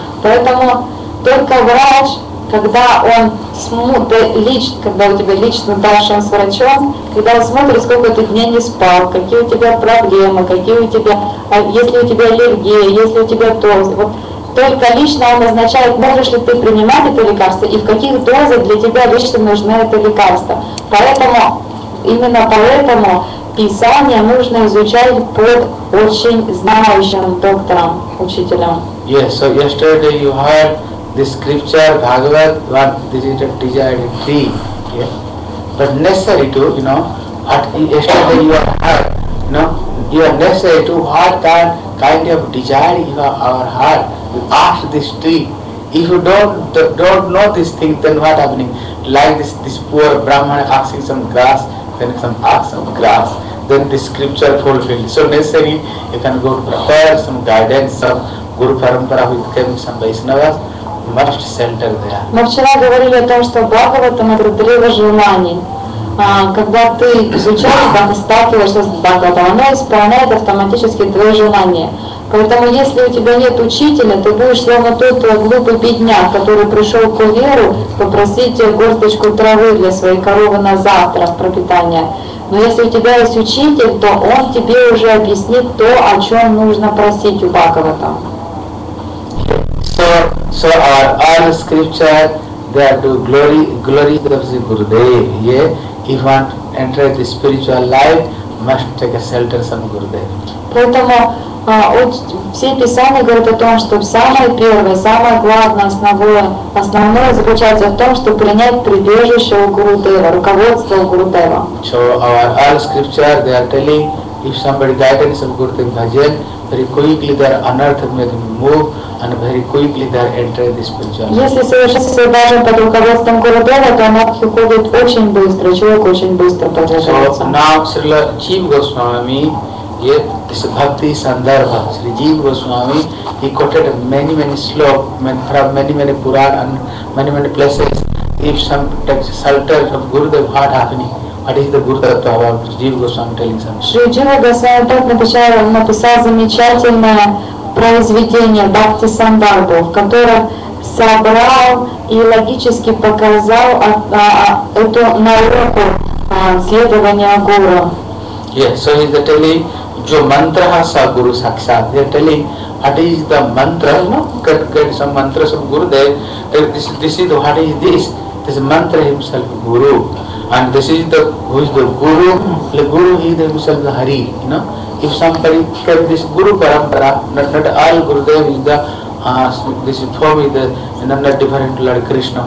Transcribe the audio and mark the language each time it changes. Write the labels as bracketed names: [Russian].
[Russian] Поэтому только врач, когда он смотрит, когда у тебя лично дальше с врачом, когда он смотрит, сколько ты дней не спал, какие у тебя проблемы, какие у тебя, есть ли у тебя аллергия, есть ли у тебя то. Вот. Только лично он означает, можешь ли ты принимать это лекарство и в каких дозах для тебя лично нужны это лекарство. Поэтому, именно поэтому писание нужно изучать под очень знающим доктором, учителем. [English] Yes, so yesterday you heard this scripture, Bhagavad, what this is a desire tree, yeah? But necessary to, you know, what yesterday you have heard, you know, you are necessary to heart that kind of desire in our heart. Ask this tree. If you don't know this thing, then what happening? Like this poor Brahman asking some grass, then some ask some grass, then this scripture fulfilled. So necessary, you can go prepare some guidance, some Guru Parampara with them, some Vaishnavas, must center there. [Russian] Мы вчера говорили о том, что Бхагаватам это древо желаний. Когда ты изучаешь, когда сталкиваешься с Бхагаватам, оно исполняет автоматически твои желания. Поэтому если у тебя нет учителя, ты будешь словно тот глупый бедняк, который пришел к веру попросить горсточку травы для своей коровы на завтра в пропитание. Но если у тебя есть учитель, то он тебе уже объяснит то, о чем нужно просить у Бхагавата. [English] So all scripture that do glory of the Gurudev, yeah? If want to enter the spiritual life, must take a shelter some Gurudev. [Russian] Поэтому все писания говорят о том, что самое первое, самое главное, основное заключается в том, чтобы принять прибежище у Гурудева, руководство у Гурудева. [English] So all scripture they are telling, if somebody guidance of Gurudev bhajan, very quickly their unearth may move, and very quickly they enter this spiritual. [Russian] Если совершенствовать даже под руководством Гурудева, то она уходит очень быстро, человек очень быстро продвигается. [English] So now Srila Chief Goswami, this Bhakti Sandarbha, Sri Jiva Goswami, he quoted many slokas from many Puran and many places. If some takes shelter of Gurudev, what happening? What is the Guru Tattva about Jiva Goswami telling something? [Russian] Shri Jiva Goswami так написал, он написал замечательное произведение Бхакти Сандарбу, в котором собрал и логически показал эту науку следования Гуру. [English] Yes, so he is telling, [Sanskrit] jo mantra ha sa Guru Sakshat. [English] They are telling, what is the mantra, no? Get some mantras of Guru there. This mantra himself Guru. And this is the, who is the Guru? The Guru is himself the Hari, you know. If somebody get this Guru Parampara, not all Gurudev is the, this is for me, the, another different Lord Krishna.